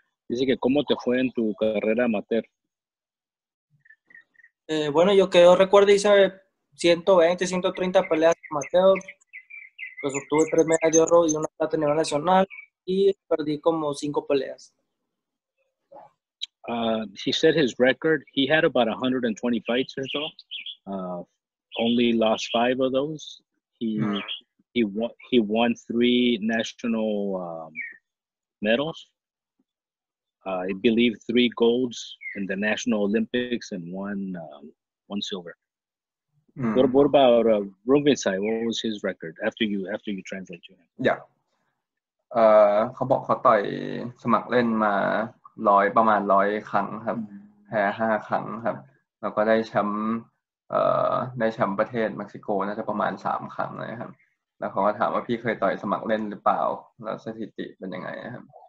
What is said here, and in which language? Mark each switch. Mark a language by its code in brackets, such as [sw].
[es] Dice que cómo te fue en tu carrera amateur. Bueno, yo que yo recuerdo hice 120, 130 peleas amateur. Pues obtuve 3 medallas de oro y una plata a nivel nacional y perdí como 5 peleas. [en] He said his record, he had about 120 fights or so. Only lost 5 of those. He won 3 national medals. I believe 3 golds in the National Olympics and one silver. What about Rungvisai? What was his record after you translate to him? Yeah. [th] เขาบอกเขาต่อยสมัครเล่นมาร้อยประมาณ100ครั้งครับแพ้5ครั้งครับแล้วก็ได้แชมป์ได้แชมป์ประเทศเม็กซิโกน่าจะประมาณ3ครั้งนะครับแล้วเขาก็ถามว่าพี่เคยต่อยสมัครเล่นหรือเปล่าแล้วสถิติเป็นยังไงครับ